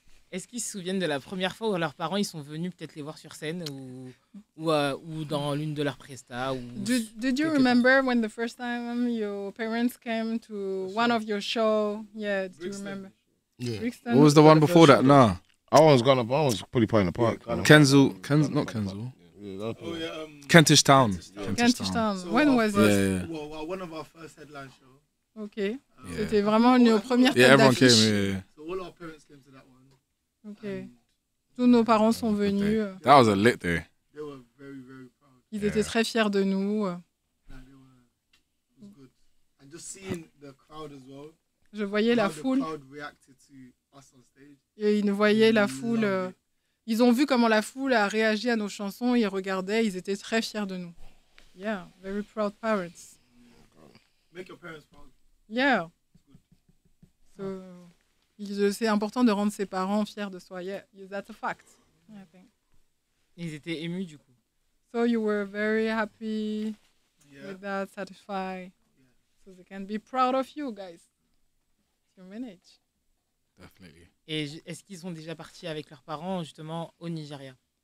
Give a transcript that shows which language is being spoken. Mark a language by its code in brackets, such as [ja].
[fr] Est-ce qu'ils se souviennent de la première fois où leurs parents ils sont venus peut-être les voir sur scène ou dans l'une de leurs prestas ou... [en] Did you remember when the first time your parents came to one of your show? Yeah, do you remember? Yeah. What was the one before that? Nah. I was gone. I was probably playing the park. Yeah, Kensal, not Kensal. Yeah, Kentish Town. Kentish Town. So when was it? Yeah. Well, one of our first headline shows. [fr] Okay. C'était vraiment nos premières têtes d'affiche. [en] Yeah, everyone came. Yeah. All our parents came to that one. [fr] Okay. Tous nos parents sont venus. [en] That was a lit day. They were very, very proud. [fr] Ils étaient très fiers de nous. [en] Yeah, they were, it was good. And just seeing the crowd as well. [fr] Je voyais la foule. [en] The crowd reacted to us on stage. [fr] Et ils voyaient la foule. Ils ont vu comment la foule a réagi à nos chansons. Ils regardaient. Ils étaient très fiers de nous. [en] Yeah, very proud parents. Make your parents proud. Yeah. So... [fr] C'est important de rendre ses parents fiers de soi. [en] Yeah, that's a fact, I think. [fr] Ils étaient émus, du coup. [en] So you were very happy with that, satisfied. So they can be proud of you, guys. You manage. Definitely. [fr] Et est-ce qu'ils sont déjà partis avec leurs parents, justement, au Nigeria?